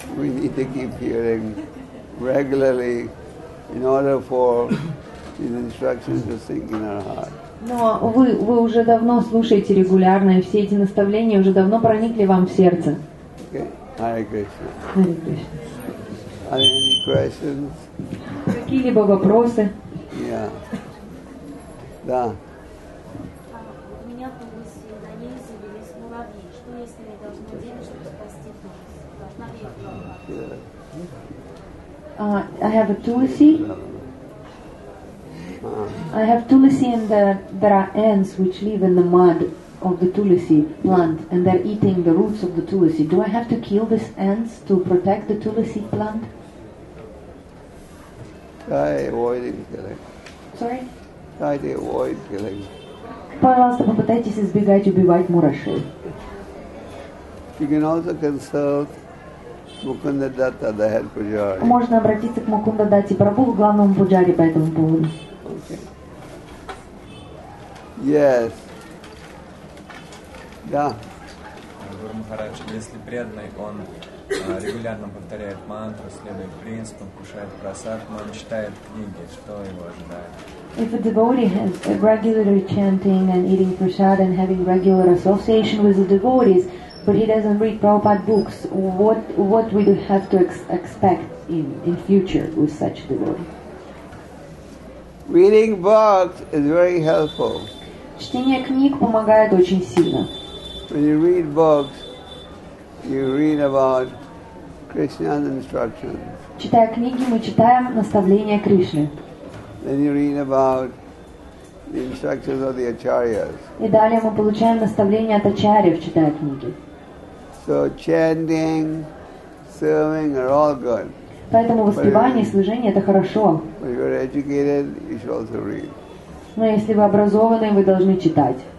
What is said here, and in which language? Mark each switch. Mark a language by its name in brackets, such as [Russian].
[English] We need to keep hearing regularly in order for these instructions to sink in our heart. [Russian] Но вы уже давно слушаете регулярно, и все эти наставления уже давно проникли вам в сердце. [Sanskrit] Hare Krishna. Hare Krishna. [English] Are there any questions? [Russian] Какие-либо вопросы? [English] Yeah. [Russian] Да. У меня в Тунисе на ней завелись муравьи. Что, если я должна делать, чтобы спасти Тунис? Должна ли я делать? [English] I have a Tulsi. I have Tulsi and there are ants which live in the mud of the Tulsi plant and they're eating the roots of the Tulsi. Do I have to kill these ants to protect the Tulsi plant? Try to avoid killing. Sorry? Try to avoid killing. [Russian] Пожалуйста, попытайтесь избегать убивать мурашей. [English] You can also consult Mukunda Datta, the head pujari. [Russian] Можно обратиться к Мукунда Датте Прабху, главному пуджари по этому поводу. [English] Okay. Yes. [Russian] Да. Гуру Махарадж, если преданный, он регулярно повторяет мантру, следует принципам, кушает прасад, но он читает книги, что его ожидает? [English] If a devotee has a regular chanting and eating prasad and having regular association with the devotees, but he doesn't read Prabhupada books, what we have to expect in future with such a devotee? Reading books is very helpful. [Russian] Чтение книг помогает очень сильно. [English] When you read books, you read about Krishna's instructions. [Russian] Читая книги, мы читаем наставления Кришны. [English] Then you read about the instructions of the acharyas. [Russian] И далее мы получаем наставления от ачарьев, читая книги. [English] So chanting, serving are all good. [Russian] Поэтому воспевание и служение — это хорошо. [English] But if you're educated, you should also read. [Russian] Но если вы образованы, вы должны читать.